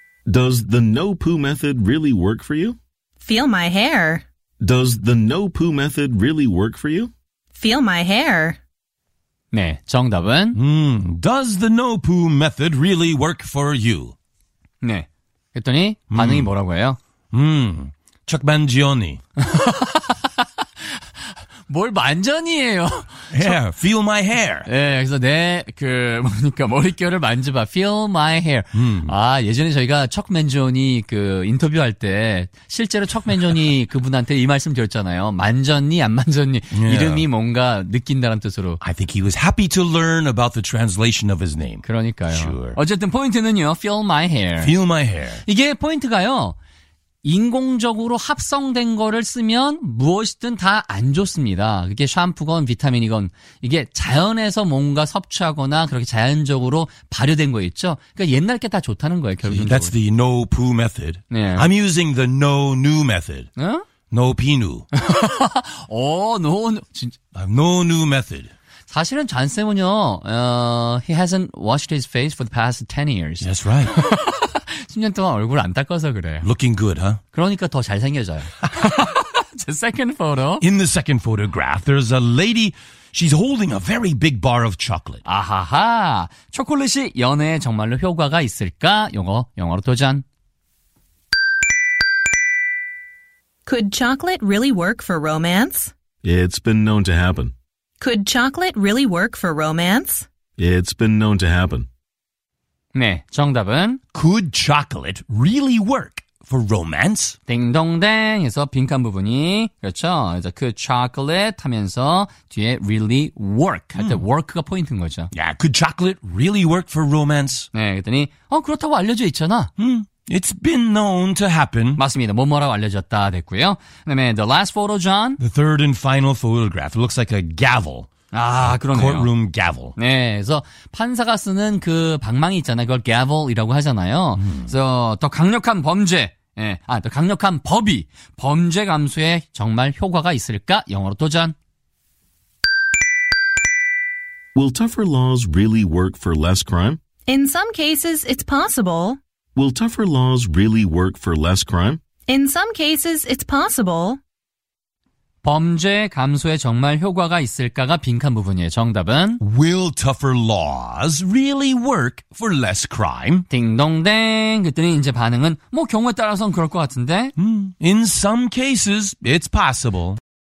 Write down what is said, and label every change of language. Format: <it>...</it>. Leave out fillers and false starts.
<en>Does the no-poo method really work for you? Feel my hair. Does the no-poo method really work for you? Feel my hair.</en> <ko>네, 정답은?</ko> <en>Does the no-poo method really work for you?</en> <ko>네, 그랬더니 반응이 뭐라고 해요?</ko> <en>Chuck Mangione.</en> <ko>뭘 만전이에요.</ko> <en>Hair. Feel my hair.</en> <ko>예, 네, 그래서 내, 그, 뭐니까, 머릿결을 만져봐.</ko> <en>Feel my hair.</en> <ko>아, 예전에 저희가 척 맨조니 그 인터뷰할 때, 실제로 척 맨조니 그분한테 이 말씀 드렸잖아요. 만전니, 안 만전니.</ko> <en>Yeah.</en> <ko>이름이 뭔가 느낀다는 뜻으로.</ko> <en>I think he was happy to learn about the translation of his name.</en> <ko>그러니까요.</ko> <en>Sure.</en> <ko>어쨌든 포인트는요.</ko> <en>Feel my hair. Feel my hair.</en> <ko>이게 포인트가요. 인공적으로 합성된 거를 쓰면 무엇이든 다 안 좋습니다. 그게 샴푸건 비타민이건 이게 자연에서 뭔가 섭취하거나 그렇게 자연적으로 발효된 거 있죠. 그러니까 옛날 게 다 좋다는 거예요. 결국은.</ko> <en>That's the no poo method.</en> <ko>네.</ko> <en>I'm using the no new method.</en> <ko>어?</ko> <en>No pinu.</en> <ko>오,</ko> <en>no, no,</en> <ko>진짜.</ko> <en>No new method.</en> <ko>사실은 잔 쌤은요,</ko> <en>he hasn't washed his face for the past 10 years. That's right.</en> <ko>10년 동안 얼굴 안 닦아서 그래.</ko> <en>Looking good, huh?</en> <ko>그러니까 더 잘생겨져요.</ko> <en>The second photo. In the second photograph, there's a lady. She's holding a very big bar of chocolate. 아하하.</en> <ko>초콜릿이 연애에 정말로 효과가 있을까? 영어, 영어로 도전.</ko> <en>Could chocolate really work for romance? It's been known to happen. Could chocolate really work for romance? It's been known to happen.</en> <ko>네, 정답은</ko> <en>Could chocolate really work for romance?</en> <ko>딩동댕 해서 빈칸 부분이 그렇죠. 이제</ko> <en>could chocolate</en> <ko>하면서 뒤에</ko> <en>really work</en> <ko>할 때 work가 포인트인 거죠.</ko> <en>Yeah, could chocolate really work for romance?</en> <ko>네, 그랬더니 어 그렇다고 알려져 있잖아.</ko> <en>It's been known to happen.</en> <ko>맞습니다. 뭐뭐라고 알려졌다 됐고요. 그다음에</ko> <en>the last photo, John. The third and final photograph. It looks like a gavel.</en> <ko>아, 그러네요.</ko> <en>Courtroom gavel.</en> <ko>네, 그래서 판사가 쓰는 그 방망이 있잖아요. 그걸 gavel이라고 하잖아요. 그래서 더 강력한 범죄, 네, 아, 더 강력한 법이 범죄 감소에 정말 효과가 있을까? 영어로 도전.</ko> <en>Will tougher laws really work for less crime? In some cases, it's possible. Will tougher laws really work for less crime? In some cases, it's possible.</en> <ko>범죄 감소에 정말 효과가 있을까가 빈칸 부분이에요. 정답은</ko> <en>Will tougher laws really work for less crime?</en> <ko>딩동댕. 그랬더니 이제 반응은 뭐 경우에 따라서는 그럴 것 같은데</ko> <en>In some cases, it's possible.</en>